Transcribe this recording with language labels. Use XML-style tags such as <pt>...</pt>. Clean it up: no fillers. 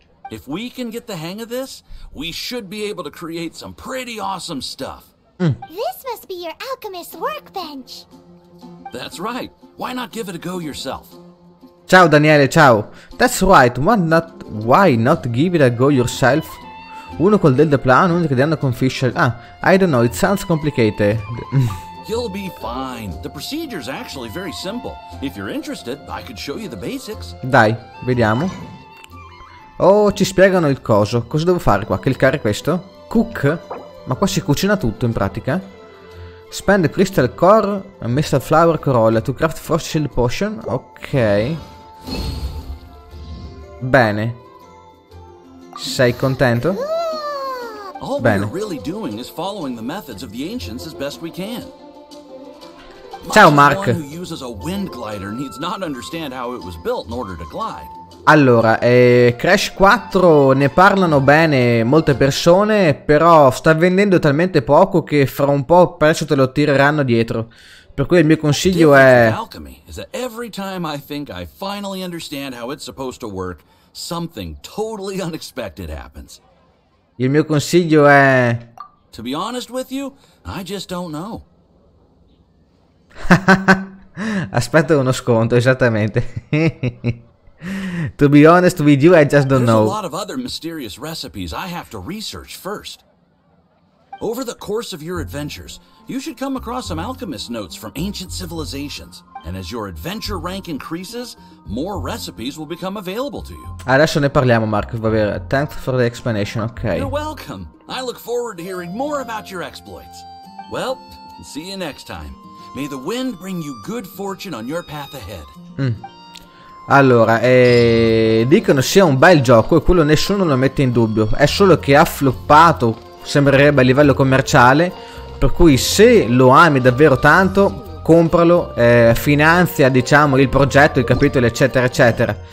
<en>If we can get the hang of this, we should be able to create some pretty awesome stuff. Mm. This must be your alchemist's workbench. That's right. Why not give it a go yourself?</en> <it>Ciao Daniele, ciao.</it> <en>That's right, why not give it a go yourself?</en> <it>Uno col del deplan, uno che danno con Fischer.</it> <en>Ah, I don't know, it sounds complicated. You'll be fine. The procedure is actually very simple. If you're interested, I could show you the basics.</en> <it>Dai, vediamo. Oh, ci spiegano il coso. Cosa devo fare qua? Cliccare questo? Cook? Ma qua si cucina tutto in pratica.</it> <en>Spend crystal core and mystic flower corolla to craft frost shield potion.</en> <it>Ok. Bene. Sei contento?</it> <en>All we're really doing is following the methods of the ancients as best we can.</en> <it>Ciao Mark.</it> <en>Who uses a wind glider needs not understand how it was built in order to glide.</en> <it>Allora, Crash 4 ne parlano bene molte persone, però sta vendendo talmente poco che fra un po' presto te lo tireranno dietro. Per cui il mio consiglio è...</it> <en>Alchemy is that every time I think I finally understand how it's supposed to work, something totally unexpected happens.</en> <it>Il mio consiglio è...</it> <en>To be honest with you, I just don't know.</en> <it>Aspetta uno sconto, esattamente.</it> <en>To be honest with you, I just don't know. There's a lot of other mysterious recipes I have to research first. Over the course of your adventures, you should come across some alchemist notes from ancient civilizations. And as your adventure rank increases, more recipes will become available to you.</en> <it>Adesso ne parliamo, Marco. Va bene.</it> <en>Thanks for the explanation, okay. You're welcome. I look forward to hearing more about your exploits. Well, see you next time. May the wind bring you good fortune on your path ahead. Mm.</en> <it>Allora, dicono sia un bel gioco e quello nessuno lo mette in dubbio. È solo che ha floppato, sembrerebbe, a livello commerciale. Per cui se lo ami davvero tanto, compralo, finanzia, diciamo, il progetto, il capitolo, eccetera, eccetera.</it>